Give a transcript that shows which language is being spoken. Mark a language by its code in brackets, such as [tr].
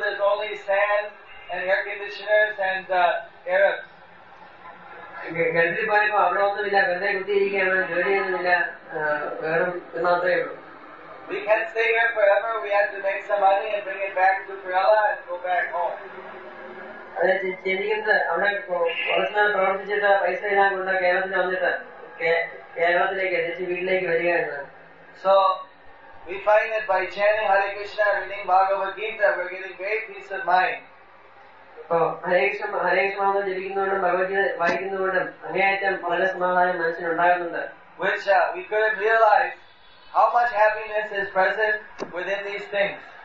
[en] There's only sand and air conditioners and Arabs. We can't stay here forever. We have to make some money and bring it back to Kerala and go back home. [ml] അതെ, ചിന്തിക്കുന്നത് അവിടെ കുറച്ച് നാൾ പ്രവർത്തിച്ചിട്ട് പൈസ ഇല്ലാതെ കൊണ്ട് കേരളത്തിൽ വന്നിട്ട് കേരളത്തിലേക്ക് എത്തിച്ച് വീട്ടിലേക്ക് വരിക എന്നാണ്. [en] So we find that by ചാനിങ് Harikrishna reading Bhagwat Geetha V are getting great piece of mind. [ml] Harikrishna ജപിക്കുന്നതുകൊണ്ടും Bhagavad Gita വായിക്കുന്നതുകൊണ്ടും അങ്ങേയറ്റം വളരെ സമാധാനം മനസ്സിൽ ഉണ്ടാകുന്നുണ്ട്. [en] Which we couldn't realize how much happiness is present within these things.